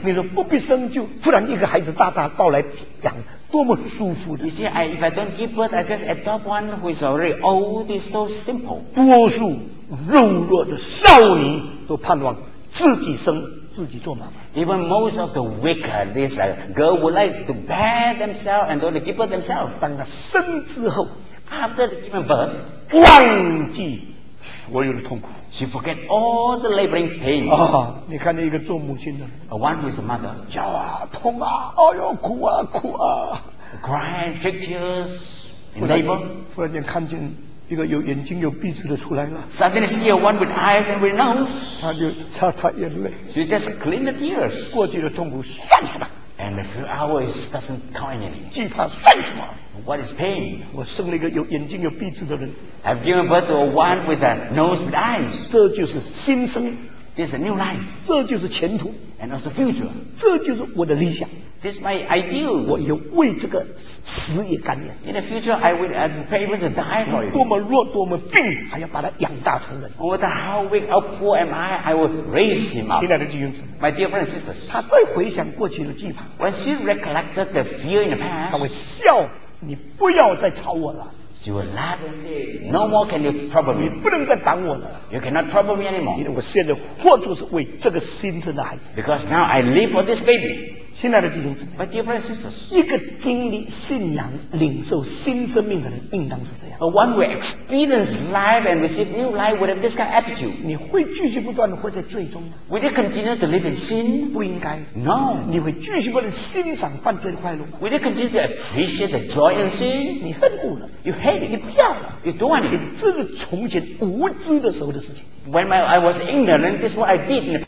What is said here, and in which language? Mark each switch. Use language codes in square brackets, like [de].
[zh] 你说不必生，就突然一个孩子大大抱来养，多么舒服的。 [en] You see, if I don't give birth, I just adopt one who is already old. It's so simple. [zh] 多数柔弱的少女都盼望自己生。自己做妈妈。 [en] Even most of the weak, this girl would like to bear themselves and don't give birth themselves. [zh] 当她生之后 [en] ，after the given birth， [zh] 忘记所有的痛苦 [en] ，she forget all the laboring pain. [zh] 啊，你看见一个做母亲的 [en] ，a one who is a mother， [zh] 叫啊，痛啊，哎呦，哭啊，哭啊 [en] ，cry, shed tears, in labor. [zh] 忽然间看见。一个有眼睛有鼻子的出来了。 [en] Suddenly see one with eyes and with nose. [zh] 他就擦擦眼泪。 [en] She just clean the tears. [zh] 过去的痛苦算什么 [en] ？And a few hours doesn't count anything. [zh] 惧怕算什么 [en] ？What is pain? [zh] 我生了一个有眼睛有鼻子的人。 [en] I've given birth to a one with a nose with eyes. [zh] 这就是新生 [en] This is a new life. [zh] 这就是前途。 [en] And that's the future. [zh] 这就是我的理想。 [en] This is my ideal. [zh] 我有为这个死也甘愿。 [en] In the future, I will be able to die for you. [zh] 多么弱，多么病，还要把他养大成人。 [en] No matter how weak, how poor am I, I will raise him up. [zh] 亲爱的弟兄姊 [en] 妹 my dear brothers and sisters. [zh] 他再回想过去的惧怕。 [en] When she recollected the fear in the past, [zh] 他会笑，你不要再吵我了。 [en] You will laugh and say, no more can you trouble me. [zh] 你不能再挡我了。 [en] You cannot trouble me anymore. [zh] 因为我现在活着是为这个新生的孩子。 [en] Because now I live for this baby. [zh] 亲爱的弟兄姊 [en] 妹 My dear brothers and sisters. [zh] 一个经历信仰领受新生命的人应当是这样。 [en] A one who experience life and receive new life would have this kind of attitude. [zh] 你会继续不断地活在罪中吗 [en] Will you continue to live in sin? [zh] 不应该。 [en] No. [zh] 你会继续不断地欣赏犯罪的快乐吗 [en] Will you continue to appreciate the joy in sin? [zh] 你恨恶了。 [en] You hate it. [zh] 你不要了。 [en] You don't want it. [zh] 这是从前无知的时候的事情。 [en] When I was ignorant, this is what I did.